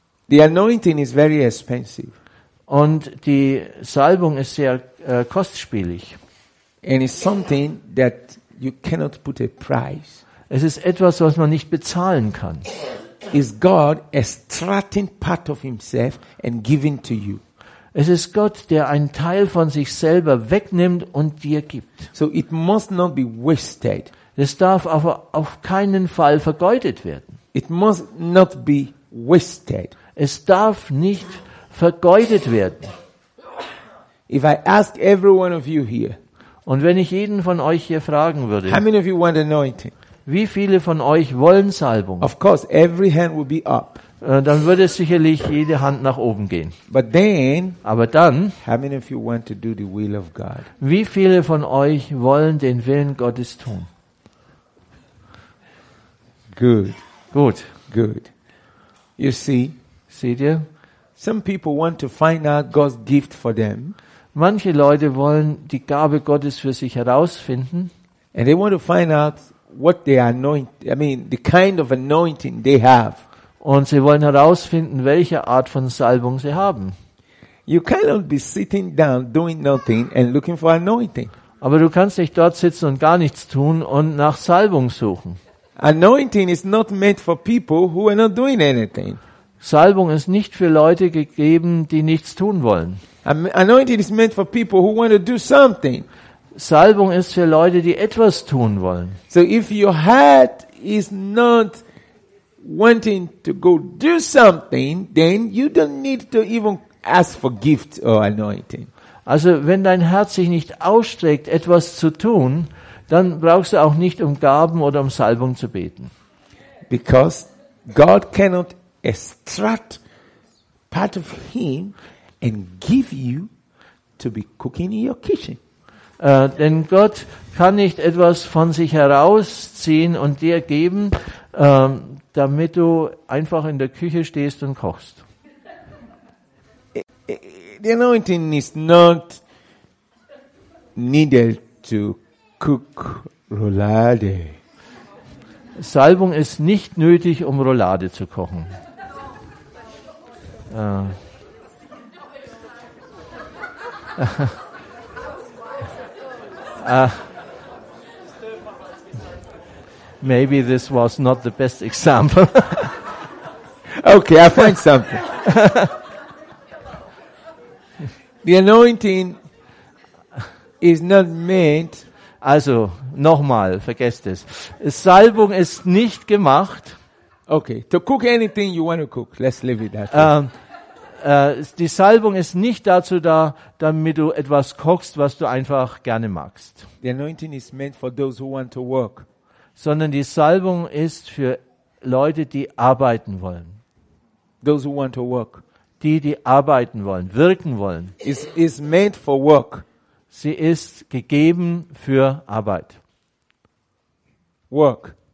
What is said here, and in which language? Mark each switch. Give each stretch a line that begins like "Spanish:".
English: The anointing is very expensive.
German: Und die Salbung ist sehr kostspielig.
English: And it's something that you cannot put a price.
German: Es ist etwas, was man nicht bezahlen kann.
English: Is God extracting part of himself and giving to you?
German: Es ist Gott, der einen Teil von sich selber wegnimmt und dir gibt.
English: So it must not be wasted.
German: Es darf aber auf keinen Fall vergeudet werden.
English: It must not be wasted.
German: Es darf nicht vergeudet werden.
English: If I ask every one of you here,
German: und wenn ich jeden von euch hier fragen würde,
English: how many of you want anointing?
German: Wie viele von euch wollen Salbung?
English: Of course, every hand will be up.
German: Dann würde sicherlich jede Hand nach oben gehen.
English: But then,
German: aber dann,
English: how many of you want to do the will of God?
German: Wie viele von euch wollen den Willen Gottes tun?
English: Good.
German: Gut.
English: Good. You see?
German: Seht ihr?
English: Some people want to find out God's gift for them.
German: Manche Leute wollen die Gabe Gottes für sich herausfinden.
English: And they want to find out what they anoint, the kind of anointing they have.
German: Und sie wollen herausfinden, welche Art von Salbung sie haben.
English: You cannot be sitting down doing nothing and looking for anointing.
German: Aber du kannst nicht dort sitzen und gar nichts tun und nach Salbung suchen.
English: Anointing is not meant for people who are not doing anything.
German: Salbung ist nicht für Leute gegeben, die nichts tun wollen.
English: Anointing is meant for people who want to do something.
German: Salbung ist für Leute, die etwas tun wollen.
English: So if your heart is not wanting to go do something, then you don't need to even ask for gift or anointing.
German: Also, wenn dein Herz sich nicht ausstreckt, etwas zu tun, dann brauchst du auch nicht um Gaben oder um Salbung zu beten.
English: Because God cannot extract part of him and give you to be cooking in your kitchen.
German: Denn Gott kann nicht etwas von sich herausziehen und dir geben, damit du einfach in der Küche stehst und kochst.
English: The anointing is not needed to cook roulade.
German: Salbung ist nicht nötig, um Roulade zu kochen.
English: Maybe this was not the best example. Okay, I find something. The anointing is not meant.
German: Also, nochmal, vergesst es. Salbung ist nicht gemacht.
English: Okay, to cook anything you want to cook. Let's leave it that way.
German: Die Salbung ist nicht dazu da, damit du etwas kochst, was du einfach gerne magst.
English: The anointing is meant for those who want to work.
German: Sondern die Salbung ist für Leute, die arbeiten wollen.
English: Those who want to work.
German: Die arbeiten wollen, wirken wollen.
English: It's meant for work.
German: Sie ist gegeben für Arbeit.
English: Work.